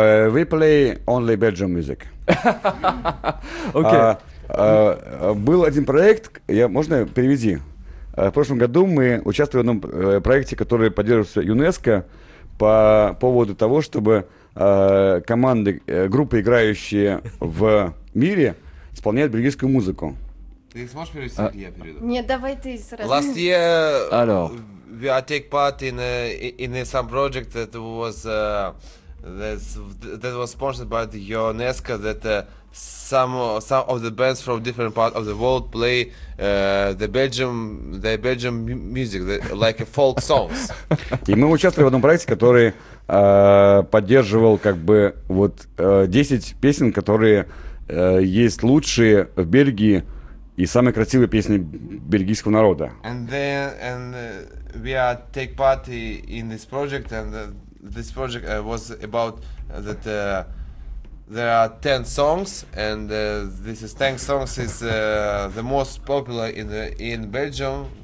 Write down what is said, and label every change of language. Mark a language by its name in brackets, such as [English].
[English] We play only Belgian music. Ok. [Russian] Был один проект, можно перевести? В прошлом году мы участвовали в одном проекте, который поддерживался ЮНЕСКО по поводу того, чтобы команды, группы, играющие в мире, исполняют бельгийскую музыку. Ты сможешь перевести, я перейду? Нет, давай ты сразу. [English] Last year, we take part in some project that was that was sponsored by the UNESCO, that some of the bands from different part of the world play the Belgian music, like folk songs. [Russian] И мы участвовали в одном проекте, который поддерживал как бы вот 10 песен, которые есть лучшие в Бельгии. И самые красивые песни бельгийского народа. [English] And we are take part in this project, and this project was about that there are 10 songs, and this is 10 songs is the most popular in Belgium.